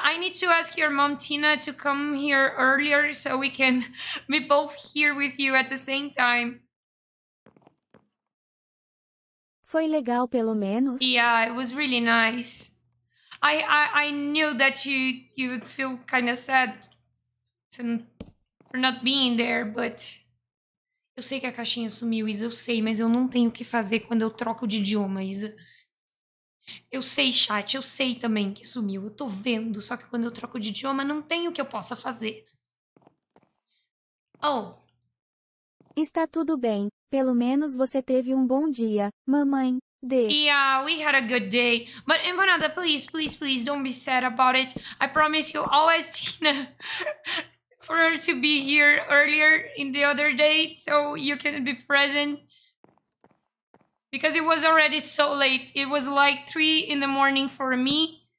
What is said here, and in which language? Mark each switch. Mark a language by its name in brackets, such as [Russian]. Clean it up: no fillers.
[English] I need to ask your mom, Tina, to come here earlier so we can be both here with you at the same time. [Portuguese] Foi legal, pelo menos. [English] Yeah, it was really nice. I knew that you would feel kind of sad for not being there, but... [Portuguese] Eu sei que a caixinha sumiu, Isa. Eu sei, mas eu não tenho o que fazer quando eu troco de idioma, Isa. Eu sei, chat. Eu sei também que sumiu. Eu tô vendo. Só que quando eu troco de idioma, não tem o que eu possa fazer. Oh. Está tudo bem. Pelo menos você teve um bom dia, mamãe. [English] Yeah, we had a good day. But empanada, please, please, please don't be sad about it. I promise you, I'll ask Tina for her to be here earlier in the other day so you can be present. Because it was already so late. It was like 3 in the morning for me.